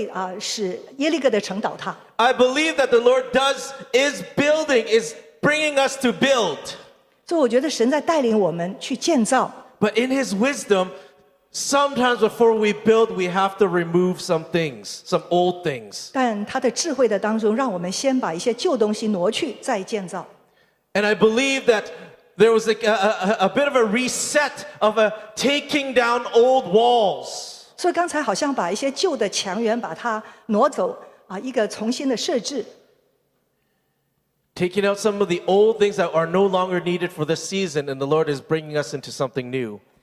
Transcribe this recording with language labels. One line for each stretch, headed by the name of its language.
Chinese: 他们一直在宣告，在呼喊说，我们的呼喊的声音会使耶利哥的城倒塌。
English: I believe that the Lord is building, is bringing us to build.
Chinese: 所以我觉得神在带领我们去建造。
English: But in His wisdom, sometimes before we build, we have to remove some things, some old things.
Chinese: 但他的智慧的当中，让我们先把一些旧东西挪去，再建造。
English: And I believe that there was a bit of a reset of a taking down old walls.
Chinese: 所以刚才好像把一些旧的墙垣把它挪走，一个重新的设置。
English: Taking out some of the old things that are no longer needed for this season, and the Lord is bringing us into something new.